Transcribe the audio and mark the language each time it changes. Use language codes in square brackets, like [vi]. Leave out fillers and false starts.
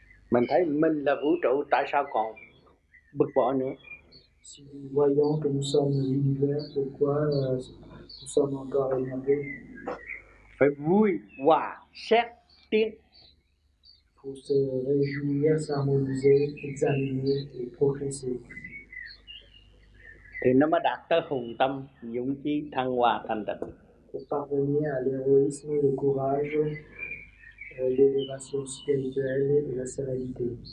[vi] Mình thấy mình là vũ trụ, tại sao còn bực bội nữa? [fr] Si nous voyons que nous sommes l'univers, pourquoi nous sommes encore énervés? [vi] Phải vui, hòa, xét, tiến. [fr] pour se réjouir, s'harmoniser, examiner et progresser. [vi] Thì nó mới đạt tới hùng tâm, dũng chí, thăng hoa, thành tịnh. [fr] Pour parvenir à l'héroïsme, le courage, l'élévation spirituelle et la sérénité.